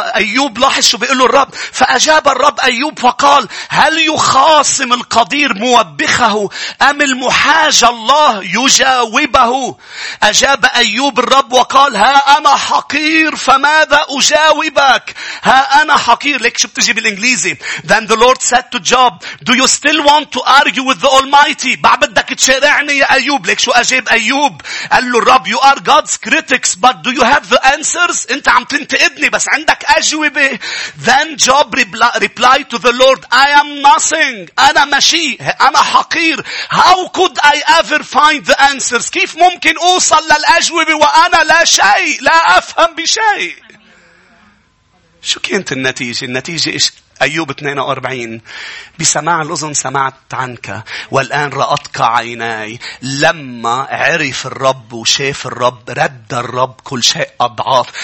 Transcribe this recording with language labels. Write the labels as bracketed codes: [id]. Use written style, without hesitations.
[ar] أيوب لاحظ شو بيقوله الرب. فأجاب الرب أيوب وقال هل يخاصم القدير موبخه أم المحاج الله يجاوبه؟ أجاب أيوب الرب وقال ها أنا حقير فماذا أجاوبك؟ ها أنا حقير. ليك شو بتجي بالإنجليزي. [en] Then the Lord said to Job do you still want to argue with the Almighty؟ [ar] بعد بدك تشارعني يا أيوب؟ ليك شو أجاب أيوب. قال له الرب [en] you are God's critics, but do you have the answers? [ar] انت عم تنتقدني بس عندك أجوبة. [en] Then Job replied to the Lord, I am nothing. [ar] أنا ماشي. أنا حقير. [en] How could I ever find the answers? [ar] كيف ممكن أوصل للأجوبة وأنا لا شيء؟ لا أفهم بشيء. شو كانت النتيجة؟ النتيجة إيش؟ أيوب 42 بسماع الأذن سمعت عنك والآن رأتك عيناي. لما عرف الرب وشاف الرب رد الرب كل شيء أضعاف.